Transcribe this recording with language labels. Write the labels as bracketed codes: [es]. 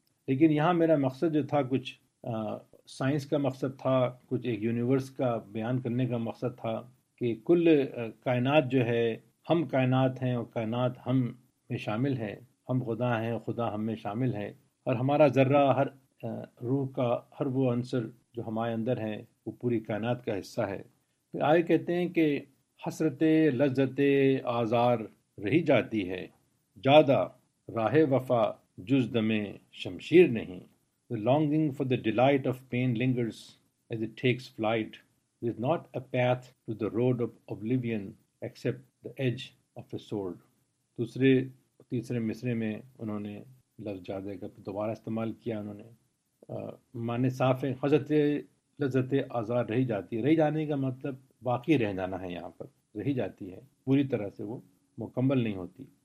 [ur] لیکن یہاں میرا مقصد جو تھا کچھ سائنس کا مقصد تھا, کچھ ایک یونیورس کا بیان کرنے کا مقصد تھا کہ کل کائنات جو ہے ہم کائنات ہیں اور کائنات ہم میں شامل ہے, ہم خدا ہیں خدا ہم میں شامل ہے, اور ہمارا ذرہ ہر روح کا ہر وہ عنصر جو ہمارے اندر ہے وہ پوری کائنات کا حصہ ہے. پھر آئے کہتے ہیں کہ حسرتِ لذتِ آزار رہی جاتی ہے, زیادہ راہ وفا جز دمِ شمشیر نہیں. [en] The longing for the delight of pain lingers as it takes flight. There is not a path to the road of oblivion except the edge of a sword. [ur] دوسرے تیسرے مصرے میں انہوں نے لفظ زیادہ کا دوبارہ استعمال کیا. انہوں نے معنی صاف ہے حضرت لذت آزار رہی جاتی ہے, رہی جانے کا مطلب باقی رہ جانا ہے, یہاں پر رہی جاتی ہے پوری طرح سے وہ مکمل نہیں ہوتی.